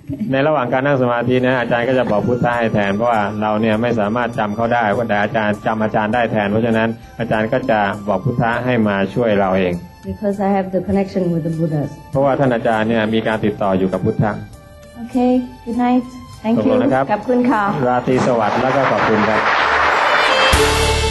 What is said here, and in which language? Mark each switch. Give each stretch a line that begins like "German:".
Thai: ในระหว่างการนั่งสมาธินะอาจารย์ก็จะบอกพุทธะให้แทนเพราะว่าเราเนี่ยไม่สามารถจำเขาได้ว่าแต่อาจารย์จำอาจารย์ได้แทนเพราะฉะนั้นอาจารย์ก็จะบอกพุทธะให้มาช่วยเราเอง
English: Because I have the connection with the Buddhas
Thai: เพราะว่าท่านอาจารย์เนี่ยมีการติดต่ออยู่กับพุทธะ
English: Okay good night thank you
Thai: ขอบคุณค่ะ ราตรีสวัสดิ์แล้วก็ขอบคุณครับ
English: Thank you.